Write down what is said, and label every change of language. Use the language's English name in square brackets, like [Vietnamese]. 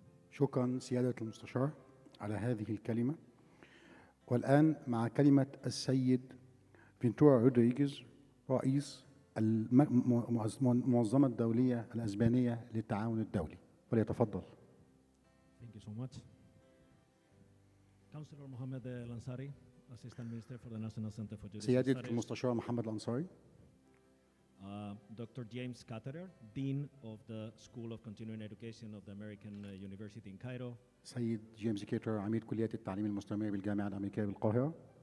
[Arabic] شكراً سيادة المستشار على هذه الكلمة. والآن مع كلمة السيد فينتورا رودريغيز رئيس المنظمة الدولية الأسبانية للتعاون الدولي، فليتفضل. [English] Thank you so much. Councillor Mohamed Elansary, Assistant Minister for the National Center for Judicial Studies. [Arabic] سيادة المستشار محمد الأنصاري. [English] Dr. James Ketterer, Dean of the School of Continuing Education of the American University in Cairo. [Arabic] سيد جيمس كيتر عميد كلية التعليم المستمر بالجامعة الأمريكية بالقاهرة.